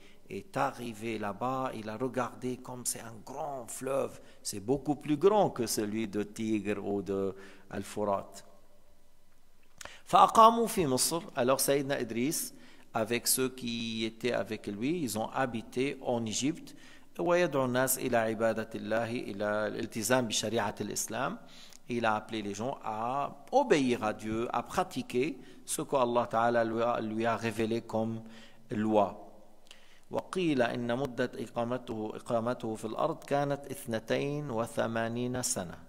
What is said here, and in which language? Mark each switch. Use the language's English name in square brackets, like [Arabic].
[French] Est arrivé là-bas, il a regardé comme c'est un grand fleuve, c'est beaucoup plus grand que celui de Tigre ou de Al-Furat. [Arabic] فأقاموا في مصر. [French] Alors Sayyidina Idriss, avec ceux qui étaient avec lui, ils ont habité en Égypte. [Arabic] ويدعو الناس إلى عبادة الله، إلى الالتزام بشريعة الإسلام. [French] Il a appelé les gens à obéir à Dieu, à pratiquer ce que Allah Ta'ala lui a révélé comme loi. [Arabic] وقيل إن مدة إقامته في الأرض كانت 82 سنة.